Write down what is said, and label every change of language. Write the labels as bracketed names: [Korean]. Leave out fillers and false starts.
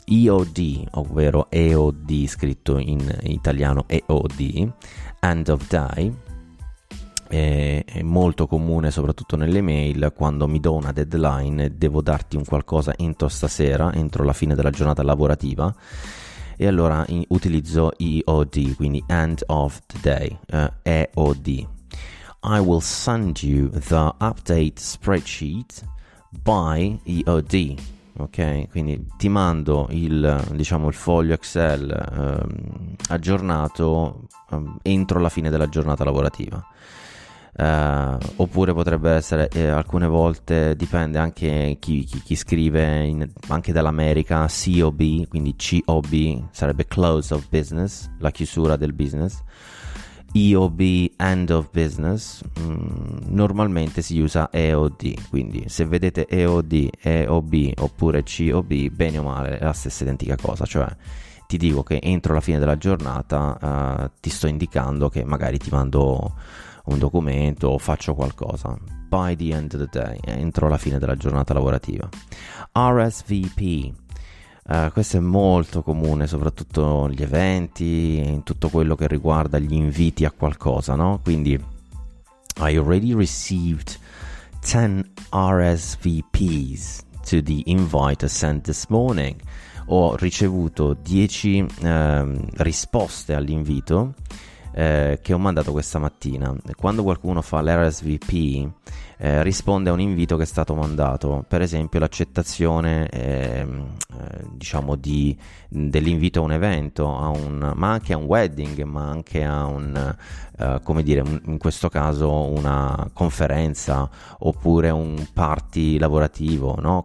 [Italian] EOD, ovvero EOD, scritto in italiano EOD, [English] end of day, [Italian] è molto comune soprattutto nelle mail, quando mi do una deadline, devo darti un qualcosa entro stasera, entro la fine della giornata lavorativa, e allora utilizzo EOD, quindi [English] end of the day, [Italian] EOD. [English] I will send you the update spreadsheet by EOD. [Italian] Ok, quindi ti mando il, diciamo, il foglio Excel aggiornato entro la fine della giornata lavorativa. oppure potrebbe essere alcune volte, dipende anche chi scrive, anche dall'America, COB, quindi COB sarebbe [English] close of business, [Italian] la chiusura del business, EOB, [English] end of business, [Italian] normalmente si usa EOD, quindi se vedete EOD, EOB oppure COB, bene o male è la stessa identica cosa, cioè ti dico che entro la fine della giornata ti sto indicando che magari ti mando un documento o faccio qualcosa. [English] By the end of the day, [Italian] entro la fine della giornata lavorativa. RSVP, questo è molto comune, soprattutto gli eventi, in tutto quello che riguarda gli inviti a qualcosa, no? Quindi, I already received 10 RSVPs to the invite sent this morning. Ho ricevuto 10 risposte all'invito che ho mandato questa mattina. Quando qualcuno fa l'RSVP, risponde a un invito che è stato mandato, per esempio l'accettazione diciamo dell'invito a un evento, ma anche a un wedding, ma anche a un come dire, in questo caso una conferenza oppure un party lavorativo, no?